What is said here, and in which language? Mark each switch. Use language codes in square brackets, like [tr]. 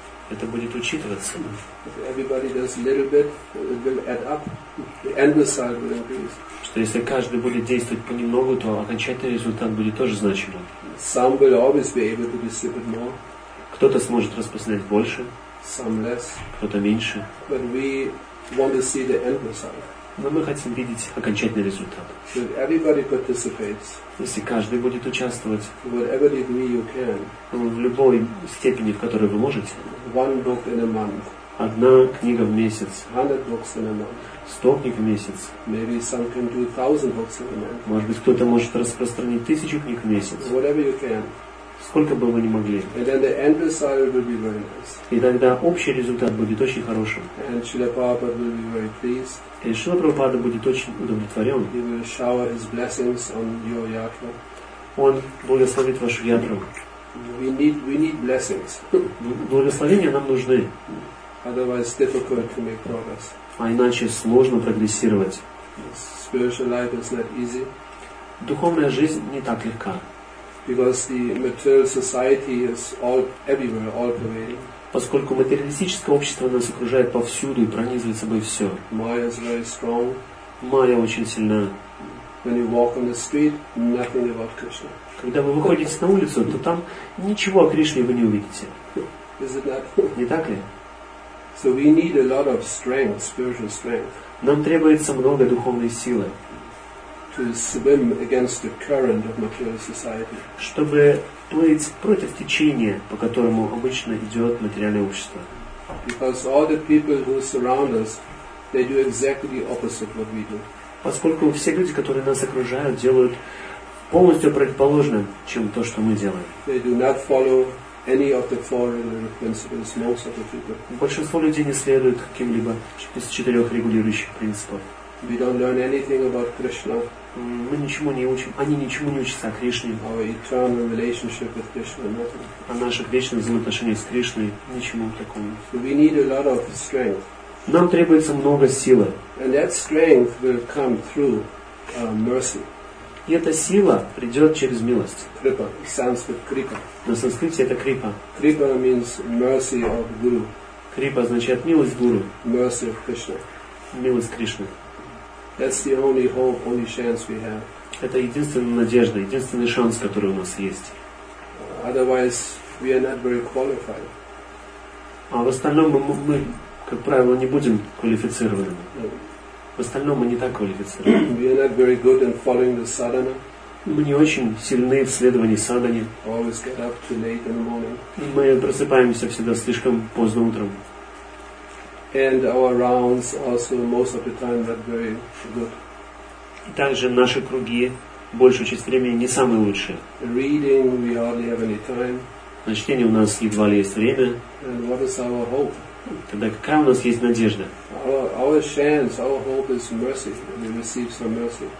[ru] Это будет учитываться. [en] If everybody does a little bit, it will add up. The end result will increase. [ru] Что если каждый будет действовать понемногу, то окончательный результат будет тоже значимым. [en] Some will always be able to distribute more. [ru] Кто-то сможет распространять больше, [en] some less. [ru] Кто-то меньше. [en] But we want to see the end result. [ru] Но мы хотим видеть окончательный результат. [en] If everybody participates, [ru] если каждый будет участвовать, [en] whatever degree you can, [ru] в любой степени, в которой вы можете, [en] one book in a month, [ru] одна книга в месяц, [en] 100 books in a month, [ru] 100 книг в месяц, [en] maybe some can do 1,000 books in a month, [ru] может быть, кто-то может распространить 1,000 книг в месяц. [en] Whatever you can. [ru] Сколько бы вы ни могли. [en] And then the end result will be very nice. [ru] И тогда общий результат будет очень хорошим. [en] And Srila Prabhupada will be very pleased. [ru] И Шрила Прабхупада будет очень удовлетворен. [en] He will shower his blessings on your yatra. [ru] Он благословит вашу ятру. [en] We need blessings. [ru] Благословения нам нужны. [en] Otherwise difficult to make progress. [ru] А иначе сложно прогрессировать. [en] Spiritual life is not easy. [ru] Духовная жизнь не так легка. [en] Because the material society is all everywhere, all pervading. [ru] Поскольку материалистическое общество нас окружает повсюду и пронизывает собой все. [en] Maya is very strong. [ru] Maya очень сильна. [en] When you walk on the street, nothing about Krishna. [ru] Когда вы выходите на улицу, то там ничего о Кришне вы не увидите. [en] Is it not? [ru] Не так ли? [en] So we need a lot of strength, spiritual strength. [ru] Нам требуется много духовной силы. [en] To swim against the current of material society. [ru] Чтобы плыть против течения, по которому обычно идет материальное общество. [en] Because all the people who surround us, they do exactly opposite what we do. [ru] Поскольку все люди, которые нас окружают, делают полностью противоположным, чем то, что мы делаем. [en] They do not follow any of the four regulatory principles, most of the people. [ru] Большинство людей не следует каким-либо из четырех регулирующих принципов. [en] We don't learn anything about Krishna. [ru] Мы ничему не учим. Они ничему не учатся о Кришне. [en] Our eternal relationship with Krishna. [ru] О наших вечных взаимоотношениях с Кришной. Ничему такому. [en] So we need a lot of strength. [ru] Нам требуется много силы. [en] And that strength will come through mercy. [ru] И эта сила придет через милость. [en] Kripa. Sanskrit kripa. [ru] На санскрите это kripa. [en] Kripa means mercy of guru. [ru] Kripa означает милость гуру. [en] Mercy of Krishna. [ru] Милость Кришны. [en] That's the only hope, only chance we have. [ru] Это единственная надежда, единственный шанс, который у нас есть. [en] Otherwise, we are not very qualified. [ru] А в остальном мы как правило, не будем квалифицированными. В остальном мы не так квалифицированы. [en] We are not very good in following the sadhana. [ru] Мы не очень сильны в следовании садхане. [en] Always get up too late in the morning. [ru] Мы просыпаемся всегда слишком поздно утром. [en] And our rounds also most of the time not very good. [ru] И также наши круги большую часть времени не самые лучшие. [en] Reading we hardly have any time. [ru] На чтение у нас едва ли есть время. [en] And what is our hope? [ru] Тогда какая у нас есть надежда? [en] Our chance, our hope is mercy. We receive some mercy.